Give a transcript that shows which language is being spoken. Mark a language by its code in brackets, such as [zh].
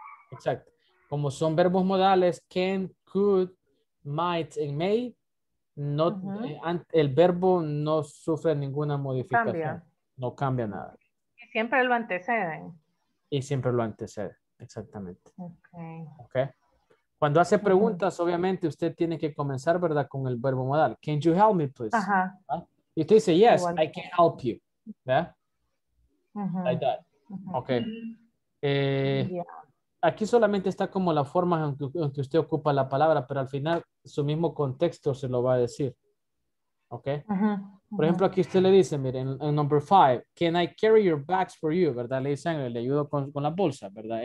[es] Exacto. Como son verbos modales, can, could, might, and may, no, el verbo no sufre ninguna modificación. Cambia. No cambia nada. Y siempre lo anteceden. Y siempre lo anteceden, exactamente. Ok. Ok. Cuando hace preguntas, obviamente, usted tiene que comenzar, ¿verdad?, con el verbo modal. [en] Can you help me, please? [es] Y usted dice, [en] yes, I can help you. ¿Verdad? Like that. Ok. [es] Aquí solamente está como la forma en que usted ocupa la palabra, pero al final su mismo contexto se lo va a decir. ¿Ok? Por ejemplo, aquí usted le dice, miren, en number five, [en] can I carry your bags for you, [es] ¿verdad? Le dicen, le ayudo con la bolsa, ¿verdad?